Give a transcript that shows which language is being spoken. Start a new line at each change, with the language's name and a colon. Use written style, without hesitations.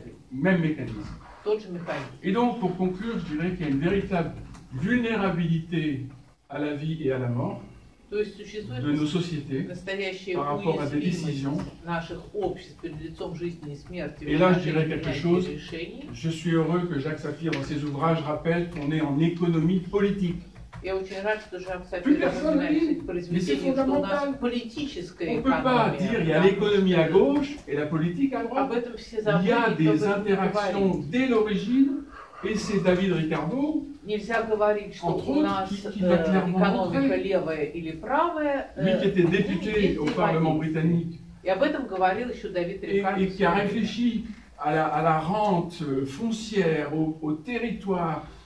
French: Même mécanisme. Et donc, pour conclure, je dirais qu'il y a une véritable vulnérabilité à la vie et à la mort.
Russian: То есть существует
French: de nos sociétés,
Russian: настоящая уязвимость наших обществ перед лицом жизни и смерти.
French: Et là, je dirais quelque chose. Je suis heureux que Jacques Saphir dans ses ouvrages rappelle qu'on est en économie politique.
Russian: Я очень рад, что Жак Сафир напоминает, что у нас политическая экономия.
French: On peut pas dire il y a l'économie à gauche et la politique à droite. Il y a des interactions dès l'origine. Et c'est David Ricardo, entre autres, qui qui était député au Parlement britannique, et qui a réfléchi à la rente foncière, au, au territoire.